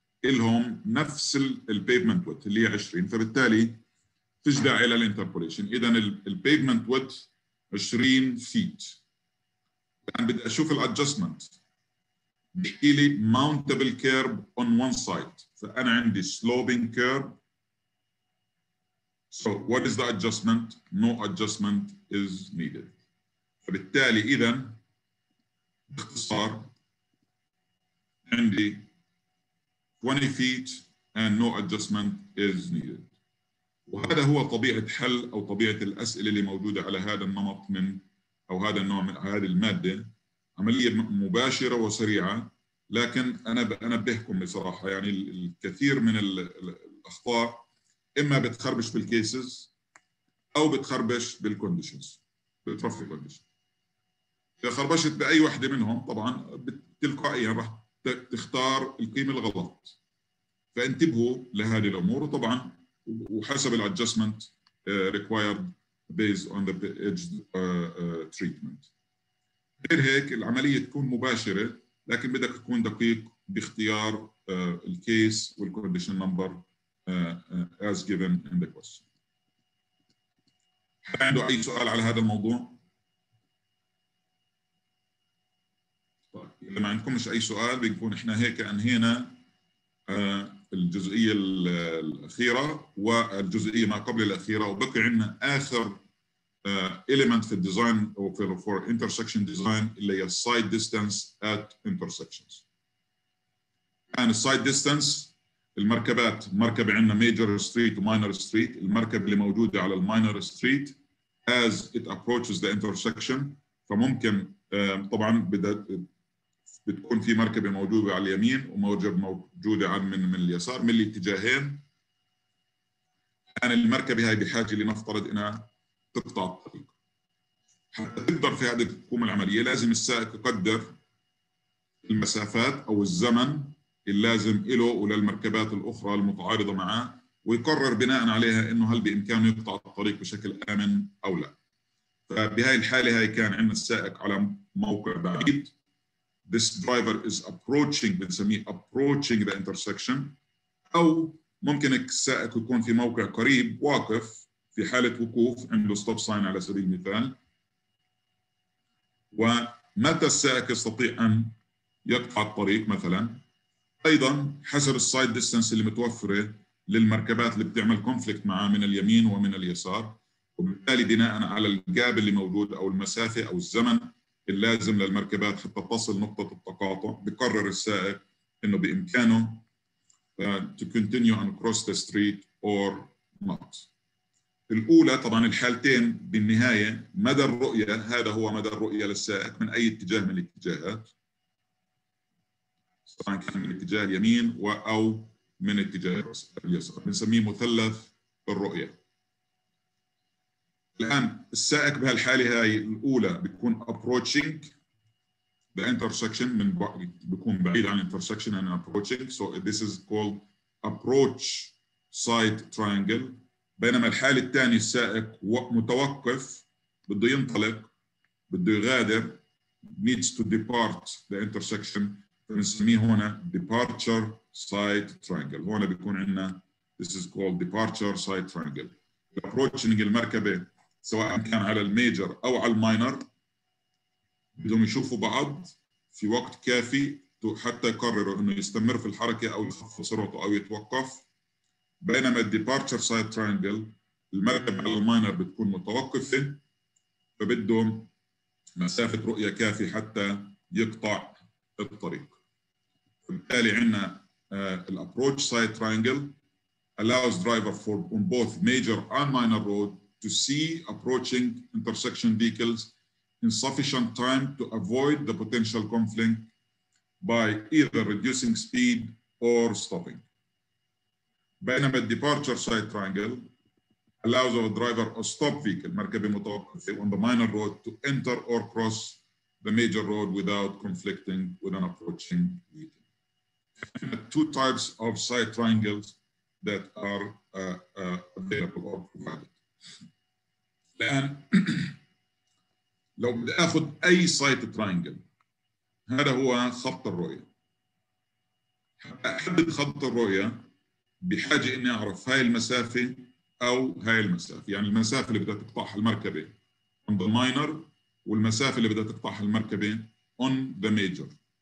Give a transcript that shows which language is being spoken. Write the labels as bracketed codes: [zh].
[ar] لهم نفس البيفمنت ويث اللي هي 20، فبالتالي فيش داعي للانتربوليشن. اذا البيفمنت ويث 20 فيت. الان بدي اشوف الادجستمنت، بدي لي ماونتبل كيرب اون وان سايد، فانا عندي سلوبينج كيرب. [en] So what is the adjustment? No adjustment is needed. [ar] فبالتالي إذا باختصار عندي [en] 20 feet and no adjustment is needed. [ar] وهذا هو طبيعة حل أو طبيعة الأسئلة اللي موجودة على هذا النمط من أو هذا النوع من هذه المادة، عملية مباشرة وسريعة. لكن أنا بهكم بصراحة، يعني الكثير من الأخطاء إما بتخربش بالكيسز أو بتخربش بالكونديشنز، بترفق الكونديشن. إذا خربشت بأي واحدة منهم طبعاً تلقائياً رح تختار القيمة الغلط، فانتبهوا لهذه الأمور. وطبعاً وحسب الأدجستمنت [en] required based on the edged treatment. [ar] غير هيك العملية تكون مباشرة، لكن بدك تكون دقيق باختيار الكيس والكونديشن نمبر [en] as given in the question. [ar] عنده أي سؤال على هذا الموضوع؟ طيب. إذا ما عندكمش أي سؤال بنكون إحنا هيك أنهينا الجزئية الأخيرة والجزئية ما قبل الأخيرة، وبقي عندنا آخر element في [en] design for intersection design [ar] اللي هي [en] side distance at intersections. And side distance [ar] المركبات، مركبة عندنا [en] major street و minor street، [ar] المركبة اللي موجودة على ال [en] minor street as it approaches the intersection. [ar] فممكن طبعا بتكون في مركبة موجودة على اليمين وموجب موجودة عن من اليسار من الاتجاهين. يعني المركبة هاي بحاجة لنفترض انها تقطع الطريق حتى تقدر في هذه تقوم العملية، لازم السائق يقدر المسافات او الزمن اللازم له وللمركبات الاخرى المتعارضه معه، ويقرر بناء عليها انه هل بامكانه يقطع الطريق بشكل امن او لا. فبهاي الحاله هاي كان عندنا السائق على موقع بعيد. [en] This driver is approaching، [ar] بنسميه [en] approaching the intersection. [ar] او ممكن السائق يكون في موقع قريب واقف في حاله وقوف عنده stop sign على سبيل المثال. ومتى السائق يستطيع ان يقطع الطريق مثلا؟ ايضا حسب السايد ديستانس اللي متوفره للمركبات اللي بتعمل كونفليكت معها من اليمين ومن اليسار، وبالتالي بناء على الجاب اللي موجود او المسافه او الزمن اللازم للمركبات حتى تصل نقطه التقاطع، بقرر السائق انه بامكانه [en] to continue and cross the street or not. [ar] الاولى طبعا الحالتين بالنهايه مدى الرؤيه، هذا هو مدى الرؤيه للسائق من اي اتجاه من الاتجاهات، سواء كان من اتجاه اليمين أو من اتجاه اليسار، بنسميه مثلث الرؤية. الآن السائق بهالحالة هاي الأولى بيكون [en] approaching the intersection، [ar] من بيكون بعيد عن [en] intersection and approaching. So this is called approach side triangle. [ar] بينما الحالة الثانية السائق متوقف، بده ينطلق، بده يغادر، [en] needs to depart the intersection. [ar] بنسميه هنا [en] departure side triangle. [ar] هنا بيكون عندنا [en] this is called departure side triangle. [ar] approaching المركبة سواء كان على الميجر أو على الماينر بدهم يشوفوا بعض في وقت كافي حتى يقرروا إنه يستمر في الحركة أو يخفض سرعته أو يتوقف. بينما [en] departure side triangle [ar] المركبة على الماينر بتكون متوقفة، فبدهم مسافة رؤية كافية حتى يقطع الطريق. بالتالي عندنا الابروتش سايد ترينجل [en] allows driver for on both major and minor road to see approaching intersection vehicles in sufficient time to avoid the potential conflict by either reducing speed or stopping. [ar] بينما الديبارتشر سايد ترينجل [en] allows a driver a stop vehicle [ar] مركبة متوقفة [en] on the minor road to enter or cross the major road without conflicting with an approaching vehicle. Two types of side triangles that are available or provided. [ar] الآن لو بدي أخذ أي side triangle، هذا هو خط الرؤية. احدد خط الرؤيه بحاجه اني اعرف هاي المسافه او هاي المسافه، يعني المسافه اللي بدها تقطعها المركبه [en] on the minor [ar] والمسافه اللي بدها تقطعها المركبه [en] on the major.